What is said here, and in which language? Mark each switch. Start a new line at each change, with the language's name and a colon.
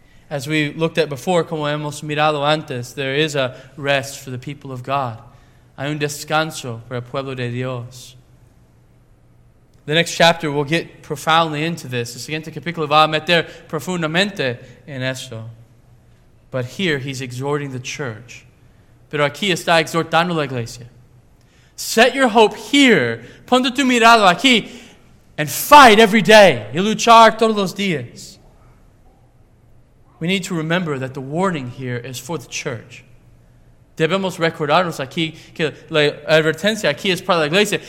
English: As we looked at before,
Spanish: como hemos mirado antes,
English: there is a rest for the people of God.
Spanish: Hay un descanso para el pueblo de Dios.
English: The next chapter will get profoundly into this.
Spanish: El siguiente capítulo va a meter profundamente en eso.
English: But here he's exhorting the church.
Spanish: Pero aquí está exhortando la iglesia.
English: Set your hope here.
Spanish: Ponte tu mirada aquí.
English: And fight every day.
Spanish: Y luchar todos los días.
English: We need to remember that the warning here is for the church.
Spanish: Debemos recordarnos aquí que la advertencia aquí es para la iglesia.